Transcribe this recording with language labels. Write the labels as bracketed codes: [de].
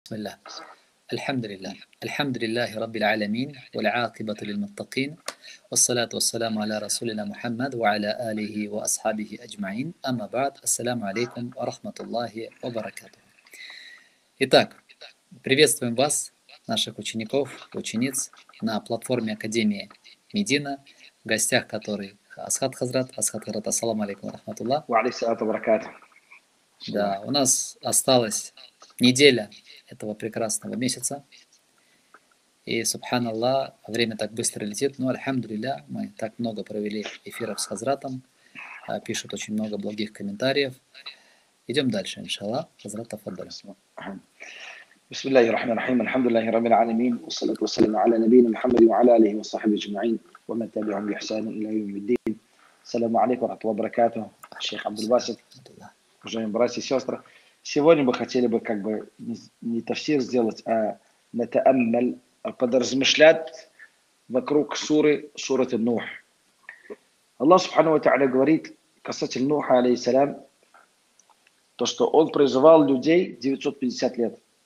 [ar] بسم الله، الحمد لله، الحمد لله رب العالمين، والعاقبة للمتقين، والصلاة والسلام على رسولنا محمد وعلى آله وأصحابه أجمعين. أما بعد، السلام عليكم ورحمة الله وبركاته. [ru] Итак, приветствуем вас, наших учеников, учениц, на платформе Академии Медина, в гостях которой Асхат Хазрат. Асхат Хазрат, ассаламу алейкум рахматуллах. Ва алейхи ассаляму ва баракатух. Да, у нас осталась неделя этого прекрасного месяца. И, субханаллах, время так быстро летит. Но, альхамдулилля, мы так много провели эфиров с Хазратом. Пишут очень много благих комментариев. Идем дальше, иншаллах. Хазрат Афаддаля. [ar] بسم الله الرحمن الرحيم الحمد لله رب العالمين والصلاة والسلام على نبينا محمد وعلى آله وصحبه أجمعين ومن تبعهم بإحسان إلى يوم الدين. السلام عليكم ورحمة الله وبركاته. [ru] الشيخ عبد الباسط уже братья и сестры. Сегодня мы хотели бы как бы не тафсир сделать, а [ar] نتأمل [ru] подразмышлять вокруг суры النوح. [ar] الله سبحانه وتعالى [ru] говорит касательно Нуха алейхи салям, то что он призывал людей 950 лет.